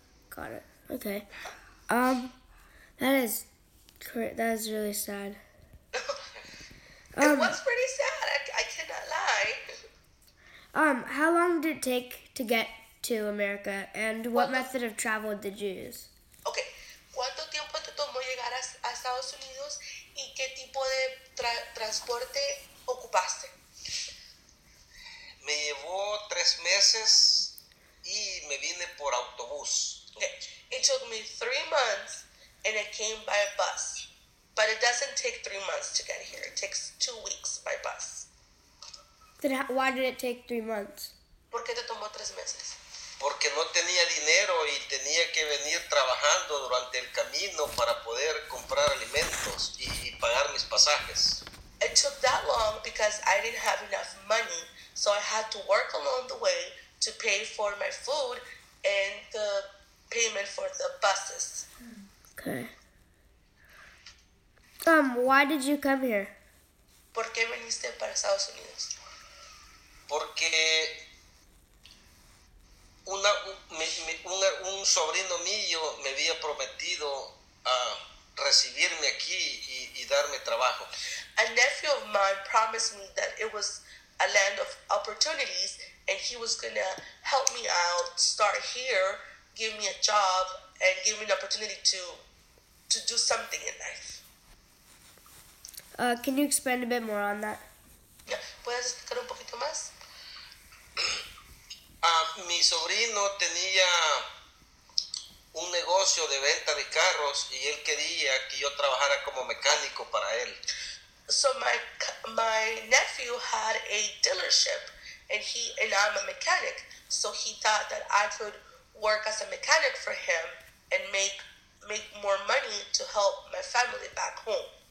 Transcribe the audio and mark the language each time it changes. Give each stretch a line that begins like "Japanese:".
English: Got it. Okay. That is really sad. It was pretty sad. I cannot lie. How long did it take to get to America, and what method of travel did you use? Okay.
Spanish: ¿Cuánto tiempo te tomó llegar a Estados Unidos y qué tipo de transporte ocupaste? Me llevó 3 meses y me vine por autobús.
English: Okay. It took me 3 months and I came by a bus. But it doesn't take 3 months to get here. It takes 2 weeks by bus. Then why did it take 3 months?
Spanish: ¿Por qué te tomó 3 meses? Porque no tenía dinero y tenía que venir trabajando durante el camino para poder comprar alimentos y pagar mis pasajes.
English: It took that long because I didn't have enough money, so I had to work along the way to pay for my food and the payment for the buses. Okay. Why did you come here?
Spanish: ¿Por qué viniste para Estados Unidos? Porque un sobrino mío me había prometido recibirme aquí y darme trabajo.
English: A nephew of mine promised me that it was a land of opportunities and he was going to help me out, start here, give me a job, and give me an opportunity to do something in life. Can you expand a bit more on that?
Spanish: ¿Puedes explicar un poquito más? Mi sobrino tenía un negocio de venta de carros y él quería que yo trabajara como mecánico para él.
English: So my nephew had a dealership and I'm a mechanic. So he thought that I could work as a mechanic for him and make more money to help my family back home.